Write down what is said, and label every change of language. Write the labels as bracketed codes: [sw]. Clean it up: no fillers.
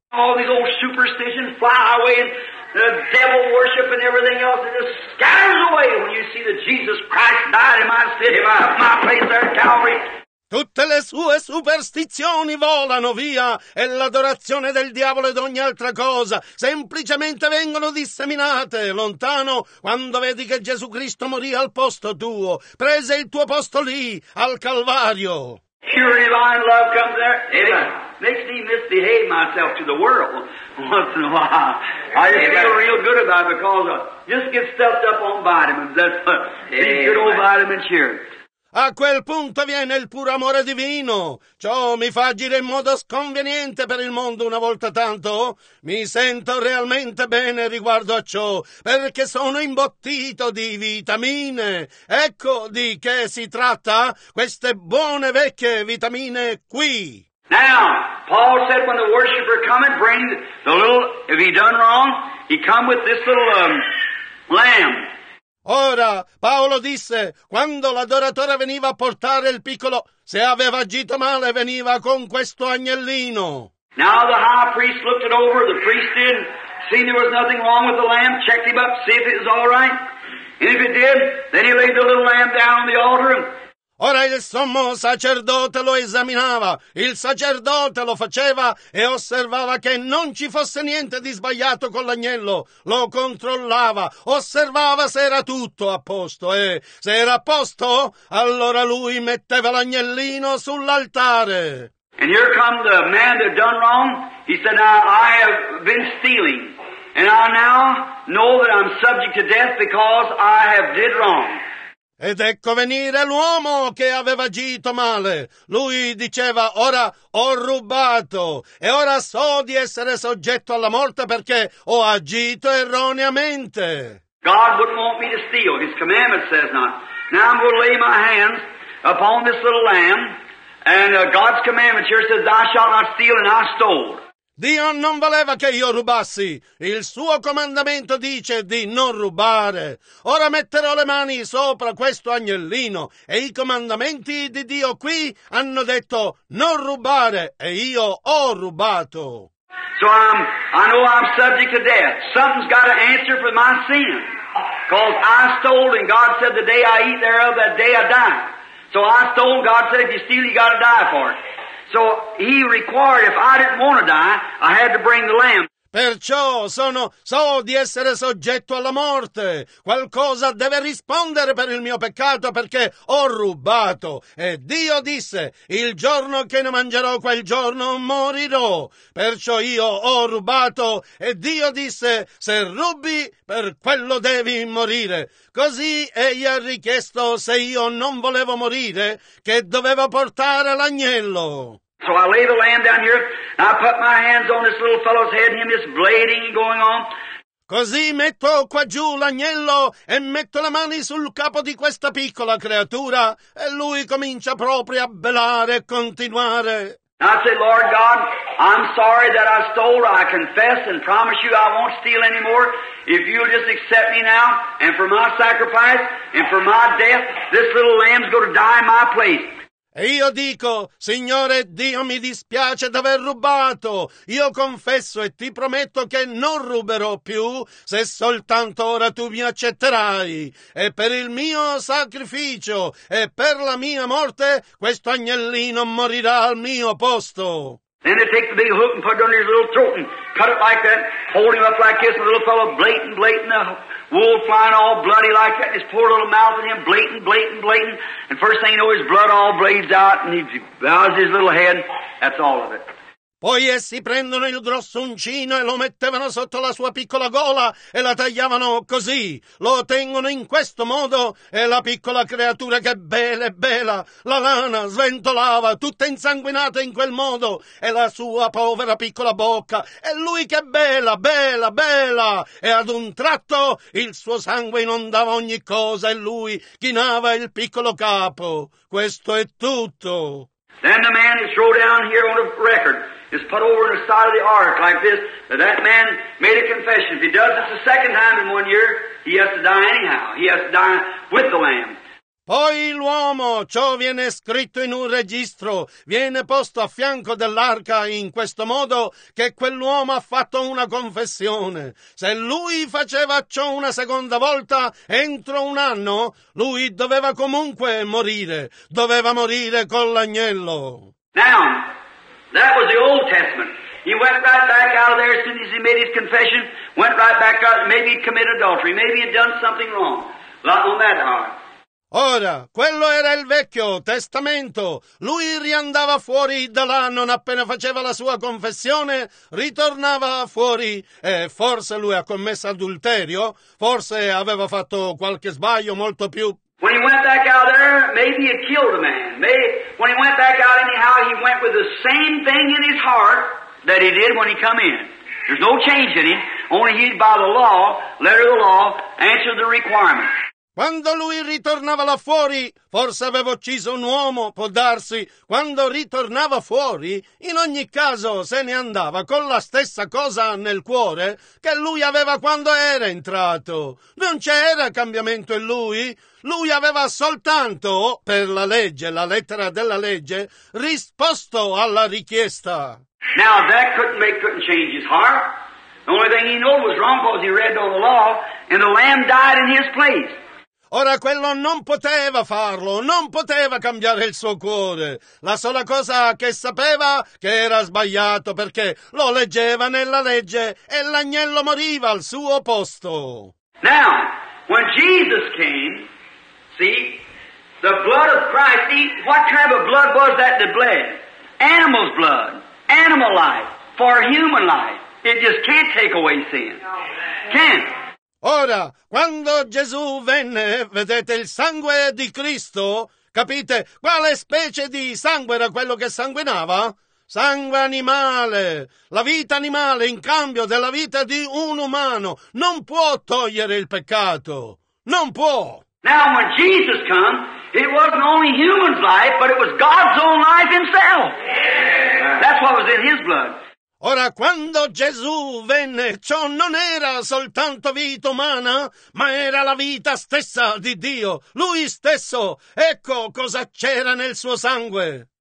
[en] All these old superstitions fly away and the devil worship and everything else, it just scatters away when you see that Jesus Christ died in my city, my place there at Calvary. [it] Tutte le sue superstizioni volano via e l'adorazione del diavolo ed ogni altra cosa semplicemente vengono disseminate lontano quando vedi che Gesù Cristo morì al posto tuo, prese il tuo posto lì, al Calvario. [en] Your divine love comes there. Amen. Makes me misbehave myself to the world once in a while. I just feel real good about it because I just get stuffed up on vitamins. That's what these good old vitamins here. [it] A quel punto viene il puro amore divino. Ciò mi fa agire in modo sconveniente per il mondo una volta tanto. Mi sento realmente bene riguardo a ciò, perché sono imbottito di vitamine. Ecco di che si tratta queste buone vecchie vitamine qui. [en] Now, Paul said when the worshipper come and bring the little, if he done wrong, he come with this little lamb. [it] Ora, Paolo disse, quando l'adoratore veniva a portare il piccolo, se aveva agito male, veniva con questo agnellino. [en] Now the high priest looked it over, the priest did, seen there was nothing wrong with the lamb, checked him up, see if it was all right. And if it did, then he laid the little lamb down on the altar. [it] Ora il sommo sacerdote lo esaminava, il sacerdote lo faceva e osservava che non ci fosse niente di sbagliato con l'agnello, lo controllava, osservava se era tutto a posto e se era a posto, allora lui metteva l'agnellino sull'altare. [en] And here come the man that done wrong, he said, I have been stealing. And I now know that I'm subject to death because I have did wrong. [it] Ed ecco venire l'uomo che aveva agito male. Lui diceva, ora ho rubato e ora so di essere soggetto alla morte perché ho agito erroneamente. [en] God wouldn't want me to steal. His commandment says not. Now I'm going to lay my hands upon this little lamb and God's commandment here says, thou shalt not steal and I stole. [it] Dio non voleva che io rubassi. Il suo comandamento dice di non rubare. Ora metterò le mani sopra questo agnellino e i comandamenti di Dio qui hanno detto non rubare e io ho rubato. [en] So I know I'm subject to death. Something's got to answer for my sin. Because I stole and God said the day I eat thereof, that day I die. So I stole and God said if you steal you got to die for it. So he required, if I didn't want to die, I had to bring the lamb. [it] Perciò so di essere soggetto alla morte. Qualcosa deve rispondere per il mio peccato perché ho rubato. E Dio disse, il giorno che ne mangerò quel giorno morirò. Perciò io ho rubato e Dio disse, se rubi per quello devi morire. Così egli ha richiesto, se io non volevo morire, che dovevo portare l'agnello. [en] So I lay the lamb down here, and I put my hands on this little fellow's head, and him is blading going on. [it] Così metto qua giù l'agnello e metto le mani sul capo di questa piccola creatura, e lui comincia proprio a belare e continuare. [en] I say, Lord God, I'm sorry that I stole. I confess and promise you I won't steal anymore. If you'll just accept me now, and for my sacrifice, and for my death, this little lamb's going to die in my place. [it] E io dico, Signore Dio, mi dispiace d'aver rubato. Io confesso e ti prometto che non ruberò più se soltanto ora tu mi accetterai. E per il mio sacrificio e per la mia morte, questo agnellino morirà al mio posto. [en] Then they take the big hook and put it under his little throat and cut it like that, hold him up like this, and the little fellow blatant, the wool flying all bloody like that, and his poor little mouth in him blatant, and first thing you know his blood all blades out and he bows his little head, that's all of it. [it] Poi essi prendono il grosso uncino e lo mettevano sotto la sua piccola gola e la tagliavano così. Lo tengono in questo modo e la piccola creatura che bele bela, la lana sventolava tutta insanguinata in quel modo e la sua povera piccola bocca. E lui che bela e ad un tratto il suo sangue inondava ogni cosa e lui chinava il piccolo capo. Questo è tutto. [en] Then the man is thrown down here on the record. It's put over on the side of the ark like this. That man made a confession. If he does this a second time in 1 year, he has to die anyhow. He has to die with the lamb. [it] Poi l'uomo, ciò viene scritto in un registro, viene posto a fianco dell'arca in questo modo che quell'uomo ha fatto una confessione. Se lui faceva ciò una seconda volta entro un anno, lui doveva comunque morire. Doveva morire con l'agnello. [en] Now, that was the Old Testament. He went right back out of there as soon as he made his confession, went right back out, maybe he'd committed adultery, maybe he'd done something wrong. Not on that heart. [it] Ora, quello era il Vecchio Testamento. Lui riandava fuori da là non appena faceva la sua confessione, ritornava fuori e forse lui ha commesso adulterio, forse aveva fatto qualche sbaglio molto più. [en] When he went back out there, maybe he killed a man. Maybe, when he went back out anyhow, he went with the same thing in his heart that he did when he come in. There's no change in him, only he by the law, letter of the law, answered the requirement. [it] Quando lui ritornava là fuori, forse aveva ucciso un uomo, può darsi. Quando ritornava fuori, in ogni caso se ne andava con la stessa cosa nel cuore che lui aveva quando era entrato. Non c'era cambiamento in lui. Lui aveva soltanto, per la legge, la lettera della legge, risposto alla richiesta. [en] Now that couldn't change his heart. The only thing he knew was wrong because he read all the law and the lamb died in his place. [it] Ora quello non poteva farlo, non poteva cambiare il suo cuore. La sola cosa che sapeva che era sbagliato perché lo leggeva nella legge e l'agnello moriva al suo posto. [en] Now, when Jesus came, see, the blood of Christ, see, what kind of blood was that bled? Animal's blood, animal life, for human life. It just can't take away sin. Can't. [it] Ora, quando Gesù venne, vedete il sangue di Cristo? Capite? Quale specie di sangue era quello che sanguinava? Sangue animale, la vita animale in cambio della vita di un umano non può togliere il peccato, non può. [en] Now when Jesus came, it wasn't only human life, but it was God's own life himself. That's what was in his blood. [it] Ora, quando Gesù venne, ciò non era soltanto vita umana, ma era la vita stessa di Dio, Lui stesso. Ecco cosa c'era nel suo sangue.